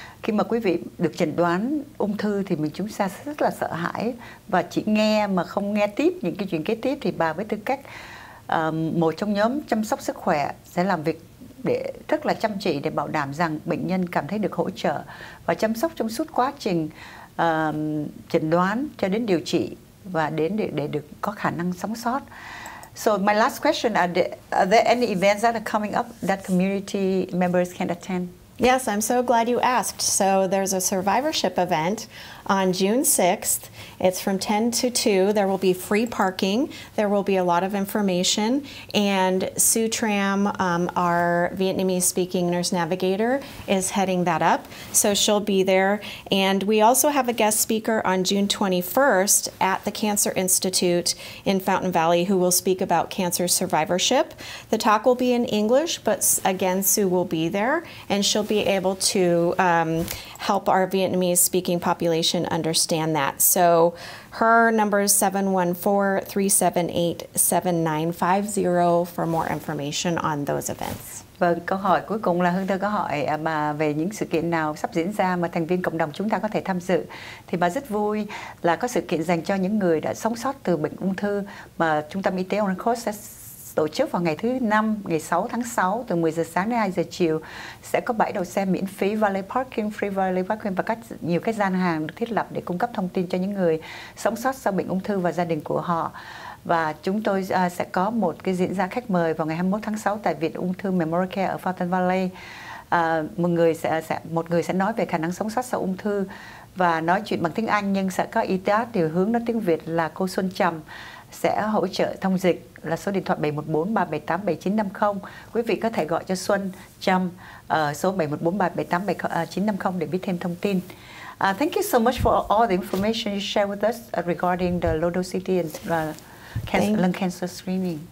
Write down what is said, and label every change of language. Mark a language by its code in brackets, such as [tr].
[vi] Khi mà quý vị được chẩn đoán ung thư thì mình chúng ta rất là sợ hãi và chỉ nghe mà không nghe tiếp những cái chuyện kế tiếp, thì bà với tư cách một trong nhóm chăm sóc sức khỏe sẽ làm việc để rất là chăm chỉ để bảo đảm rằng bệnh nhân cảm thấy được hỗ trợ và chăm sóc trong suốt quá trình chẩn đoán cho đến điều trị và đến để được có khả năng sống sót. [en] So my last question, are there any events that are coming up that community members can attend? Yes, I'm so glad you asked. So there's a survivorship event on June 6th. It's from 10 to 2. There will be free parking. There will be a lot of information. And Sue Tram, our Vietnamese-speaking nurse navigator, is heading that up. So she'll be there. And we also have a guest speaker on June 21st at the Cancer Institute in Fountain Valley who will speak about cancer survivorship. The talk will be in English, but again, Sue will be there. And she'll be able to help our Vietnamese-speaking population understand that. So her number is 714-378-7950 for more information on those events. [vi] Vâng, câu hỏi cuối cùng là Hương Thơ có hỏi bà về những sự kiện nào sắp diễn ra mà thành viên cộng đồng chúng ta có thể tham dự. Thì bà rất vui là có sự kiện dành cho những người đã sống sót từ bệnh ung thư mà Trung tâm Y tế Orange Coast sẽ tổ chức vào ngày thứ năm, ngày 6 tháng 6, từ 10 giờ sáng đến 2 giờ chiều. Sẽ có bãi đậu xe miễn phí, [en] valet parking, free valet parking [vi] và nhiều cái gian hàng được thiết lập để cung cấp thông tin cho những người sống sót sau bệnh ung thư và gia đình của họ. Và chúng tôi sẽ có một cái diễn ra khách mời vào ngày 21 tháng 6 tại Viện Ung thư Memorial Care ở Fountain Valley. Một người sẽ nói về khả năng sống sót sau ung thư và nói chuyện bằng tiếng Anh, nhưng sẽ có y tá điều hướng nói tiếng Việt là cô Xuân Trầm sẽ hỗ trợ thông dịch, là số điện thoại 714-378-7950. Quý vị có thể gọi cho Xuân Trâm số 714-378-7950 để biết thêm thông tin. [en] Thank you so much for all the information you share with us regarding the low-dose CT and lung cancer screening.